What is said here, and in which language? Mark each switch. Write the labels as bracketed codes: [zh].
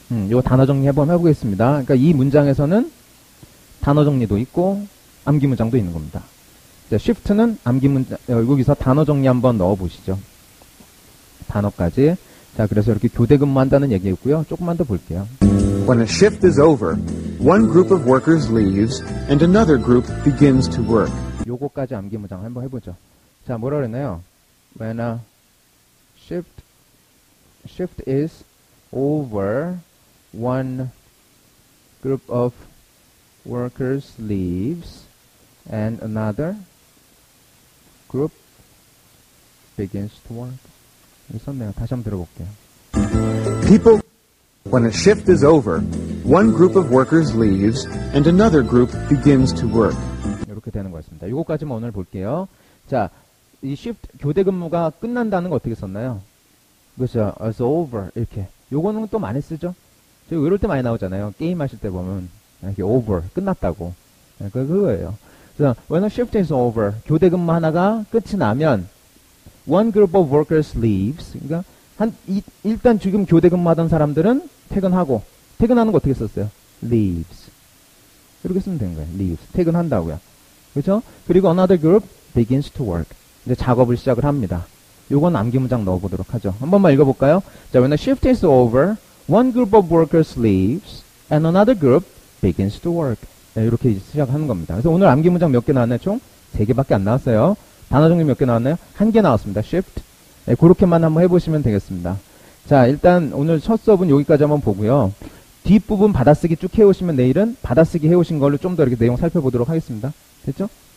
[ko] 요 단어 정리 한번 해보겠습니다. 그러니까 이 문장에서는 단어 정리도 있고 암기 문장도 있는 겁니다. 자, Shift는 암기 문장, 여기서 단어 정리 한번 넣어보시죠. 단어까지. 자, 그래서 이렇게 교대 근무한다는 얘기였고요. 조금만 더 볼게요. [en] When a shift is over, one group of workers leaves and another group begins to work. [ko] 요거까지 암기 문장 한번 해보죠. 자, 뭐라 그랬나요? [en] When a shift is over, one group of workers leaves and another group begins to work. [ko] 있었네요. 다시 한번 들어볼게요. [en] People, when a shift is over, one group of workers leaves and another group begins to work. [ko] 이렇게 되는 것 같습니다. 이것까지만 오늘 볼게요. 자, 이 shift 교대 근무가 끝난다는 거 어떻게 썼나요? 그렇죠. [en] It's over [ko] 이렇게. 요거는 또 많이 쓰죠. 저 이럴 때 많이 나오잖아요. 게임 하실 때 보면 이렇게 over 끝났다고. 그거예요. 그래서 [en] when a shift is over [ko] 교대 근무 하나가 끝이 나면 [en] one group of workers leaves. [ko] 그러니까 일단 지금 교대 근무하던 사람들은 퇴근하고 퇴근하는 거 어떻게 썼어요? [en] Leaves. [ko] 이렇게 쓰면 되는 거예요. [en] Leaves. [ko] 퇴근한다고요. 그렇죠? 그리고 [en] another group begins to work. [ko] 이제 작업을 시작을 합니다. 요건 암기 문장 넣어보도록 하죠. 한 번만 읽어볼까요? [en] 자, when the shift is over, one group of workers leaves and another group begins to work. [ko] 네, 이렇게 시작하는 겁니다. 그래서 오늘 암기 문장 몇 개 나왔나요? 총 3개밖에 안 나왔어요. 단어 종류 몇 개 나왔나요? 1개 나왔습니다. Shift. 네, 그렇게만 한번 해보시면 되겠습니다. 자, 일단 오늘 첫 수업은 여기까지 한번 보고요. 뒷부분 받아쓰기 쭉 해오시면 내일은 받아쓰기 해오신 걸로 좀 더 이렇게 내용 살펴보도록 하겠습니다. 됐죠?